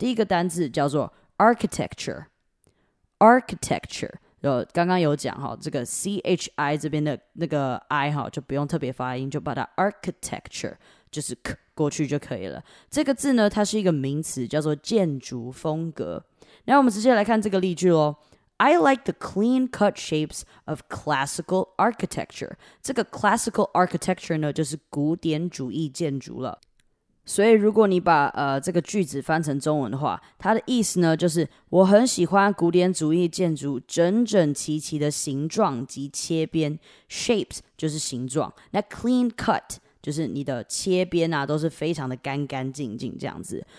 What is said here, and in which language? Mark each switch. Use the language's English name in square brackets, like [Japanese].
[Chinese] 第一个单字叫做 architecture， architecture， 刚刚有讲哦，这个 chi 这边的那个 i 哦，就不用特别发音，就把它 architecture 就是 k 过去就可以了。这个字呢，它是一个名词，叫做建筑风格。那我们直接来看这个例句咯。 [English] I like the clean cut shapes of classical architecture。 [Chinese] 这个 classical architecture 呢，就是古典主义建筑了。所以如果你把这个句子翻成中文的话，它的意思呢，就是我很喜欢古典主义建筑整整齐齐的形状及切边。 shapes 就是形状，那 clean cut就是你的切边啊，都是非常的干干净净这样子。